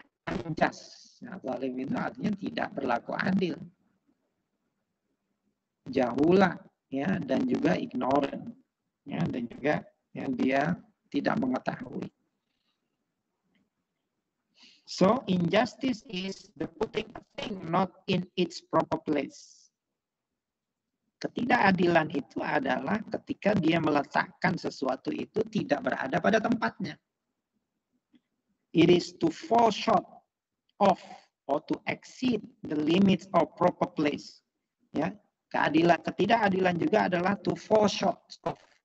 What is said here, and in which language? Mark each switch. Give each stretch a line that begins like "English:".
Malay: Anjas. Nah, zalim itu artinya tidak berlaku adil. Jahula, ya, dan juga ignorant, ya, dan juga yang dia tidak mengetahui.
English: So injustice is the putting a thing not in its proper place.
Malay: Ketidakadilan itu adalah ketika dia meletakkan sesuatu itu tidak berada pada tempatnya.
English: It is to fall short of or to exceed the limits of proper place.
Malay: Ya, ketidakadilan juga adalah
English: to fall short of.